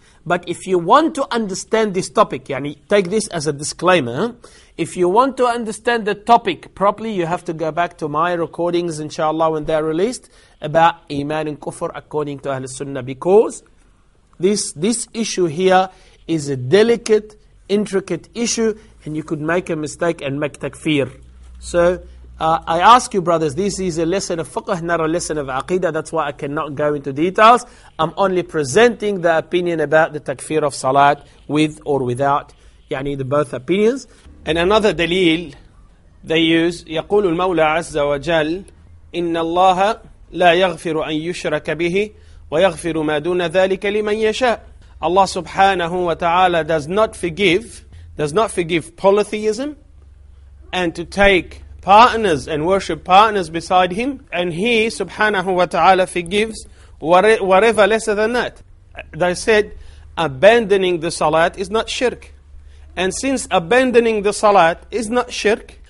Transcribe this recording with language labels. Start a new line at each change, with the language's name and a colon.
English: But if you want to understand this topic, yani take this as a disclaimer, if you want to understand the topic properly, you have to go back to my recordings, inshallah, when they're released, about iman and kufr according to Ahlul Sunnah, because this issue here is a delicate, intricate issue, and you could make a mistake and make takfir. So I ask you, brothers, this is a lesson of fiqh, not a lesson of aqidah. That's why I cannot go into details. I'm only presenting the opinion about the takfir of salat with or without, yani the both opinions. And another dalil they use,
Arabic: يقول المولى عز وجل إن الله لا يغفر أن يشرك به ويغفر ما دون ذلك لمن يشاء.
English: Allah subhanahu wa ta'ala does not forgive polytheism and to take partners and worship partners beside him. And he, subhanahu wa ta'ala, forgives whatever lesser than that. They said, abandoning the salat is not shirk. And since abandoning the salat is not shirk,